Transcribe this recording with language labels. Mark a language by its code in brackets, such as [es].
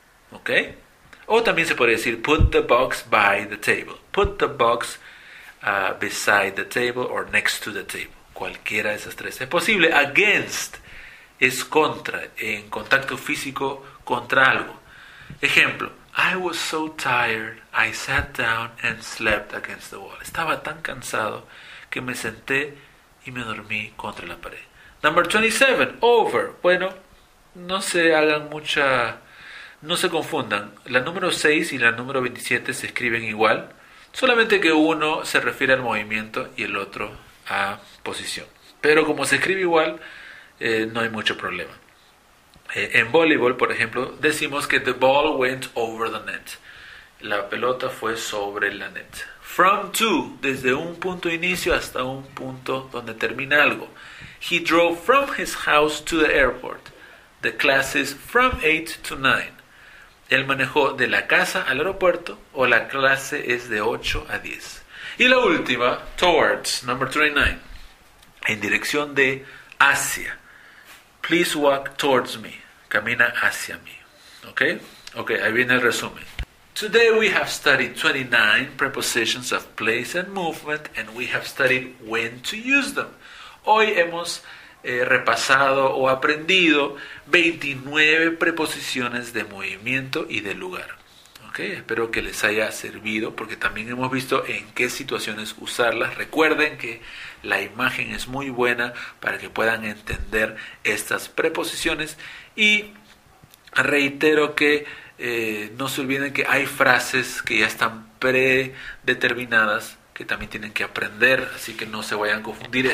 [es] ¿Ok? O también se puede decir, [en] put the box by the table. Put the box beside the table or next to the table. [es] Cualquiera de esas tres. Es posible. Against es contra, en contacto físico contra algo. [en] Ejemplo, I was so tired, I sat down and slept against the wall. [es] Estaba tan cansado que me senté y me dormí contra la pared. [en] Number 27, over. [es] Bueno, no se hagan mucha. No se confundan. La número 6 y la número 27 se escriben igual, solamente que uno se refiere al movimiento y el otro a posición. Pero como se escribe igual, no hay mucho problema. En voleibol, por ejemplo, decimos que [en] the ball went over the net. [es] La pelota fue sobre la net. [en] From to, [es] desde un punto de inicio hasta un punto donde termina algo. [en] He drove from his house to the airport. The classes from 8 to 9. [es] Él manejó de la casa al aeropuerto o la clase es de 8 a 10. Y la última, [en] towards, number 29. [es] En dirección de hacia. [en] Please walk towards me. [es] Camina hacia mí. Ok, ahí viene el resumen. [en] Today we have studied 29 prepositions of place and movement, and we have studied when to use them. [es] Hoy hemos repasado o aprendido 29 preposiciones de movimiento y de lugar. Ok, espero que les haya servido porque también hemos visto en qué situaciones usarlas. Recuerden que la imagen es muy buena para que puedan entender estas preposiciones y reitero que no se olviden que hay frases que ya están predeterminadas que también tienen que aprender, así que no se vayan a confundir.